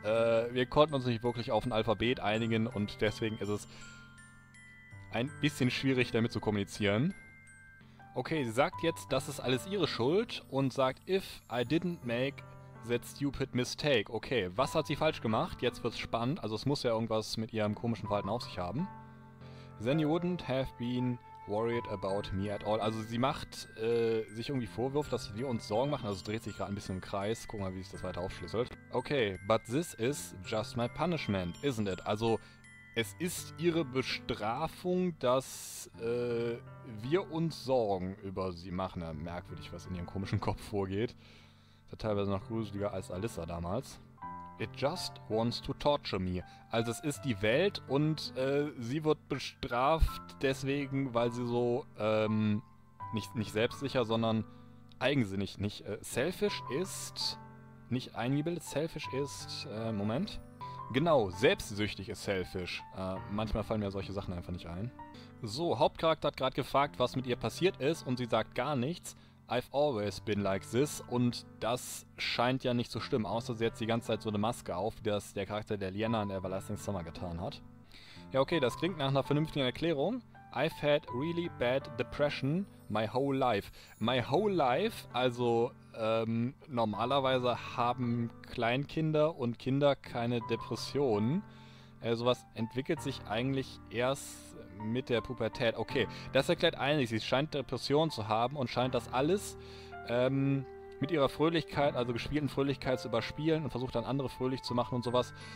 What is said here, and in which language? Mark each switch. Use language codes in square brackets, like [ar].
[de] wir konnten uns nicht wirklich auf ein Alphabet einigen. Und deswegen ist es ein bisschen schwierig, damit zu kommunizieren. Okay, sie sagt jetzt, das ist alles ihre Schuld und sagt, [en] if I didn't make that stupid mistake. [de] Okay, was hat sie falsch gemacht? Jetzt wird's spannend, also es muss ja irgendwas mit ihrem komischen Verhalten auf sich haben. [en] Then you wouldn't have been worried about me at all. [de] Also sie macht sich irgendwie Vorwürfe, dass wir uns Sorgen machen, also es dreht sich gerade ein bisschen im Kreis. Guck mal, wie sich das weiter aufschlüsselt. [en] Okay, but this is just my punishment, isn't it? [de] Also... Es ist ihre Bestrafung, dass wir uns Sorgen über sie machen. Ja, merkwürdig, was in ihrem komischen Kopf vorgeht. Ist ja teilweise noch gruseliger als Alyssa damals. [en] It just wants to torture me. [de] Also es ist die Welt und sie wird bestraft deswegen, weil sie so nicht selbstsicher, sondern eigensinnig nicht. Selfish ist nicht eingebildet. Selfish ist, Moment. Genau, selbstsüchtig ist selfish. Manchmal fallen mir solche Sachen einfach nicht ein. So, Hauptcharakter hat gerade gefragt, was mit ihr passiert ist und sie sagt gar nichts. [en] I've always been like this [de] und das scheint ja nicht zu stimmen, außer sie hat die ganze Zeit so eine Maske auf, wie das der Charakter der Lyanna in Everlasting Summer getan hat. Ja, okay, das klingt nach einer vernünftigen Erklärung. [en] I've had really bad Dеprеssion my whole life. My whole life, [de] also normalerweise haben Kleinkinder und Kinder keine Depressionen. Sowas entwickelt sich eigentlich erst mit der Pubertät. Okay, das erklärt einiges. Sie scheint Depressionen zu haben und scheint das alles mit ihrer Fröhlichkeit, also gespielten Fröhlichkeit, zu überspielen und versucht dann andere fröhlich zu machen und sowas.